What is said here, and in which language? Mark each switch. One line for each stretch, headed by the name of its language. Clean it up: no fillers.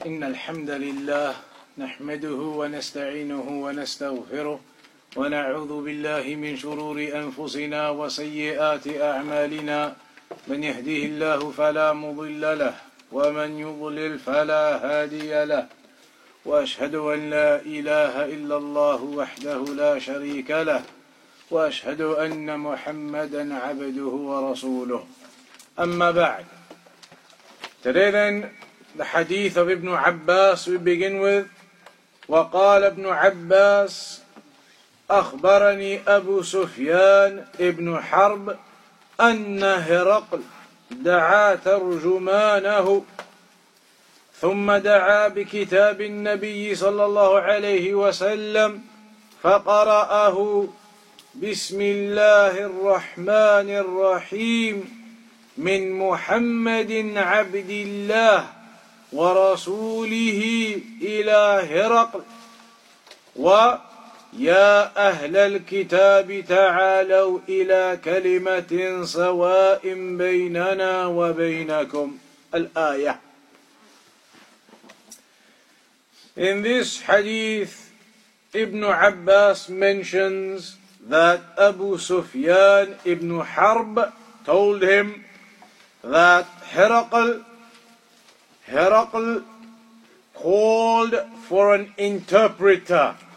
Arabic: إن الحمد لله نحمده ونستعينه ونستغفره ونعوذ بالله من شرور أنفسنا وسيئات أعمالنا من يهده الله فلا مضل له ومن يضلل فلا هادي له وأشهد أن لا إله إلا الله وحده لا شريك له وأشهد أن محمدا عبده ورسوله أما بعد.
English: Today then, the hadith of Ibn Abbas we begin with.
Arabic: وقال ابن عباس أخبرني أبو سفيان ابن حرب أن هرقل دعا ترجمانه ثم دعا بكتاب النبي صلى الله عليه وسلم فقرأه بسم الله الرحمن الرحيم من محمد عبد الله ورسوله إلى هرقل ويا أهل الكتاب تعالوا إلى كلمة سواء بيننا وبينكم الآية.
English: In this hadith, Ibn Abbas mentions that Abu Sufyan ibn Harb told him that Hiraql called for an interpreter,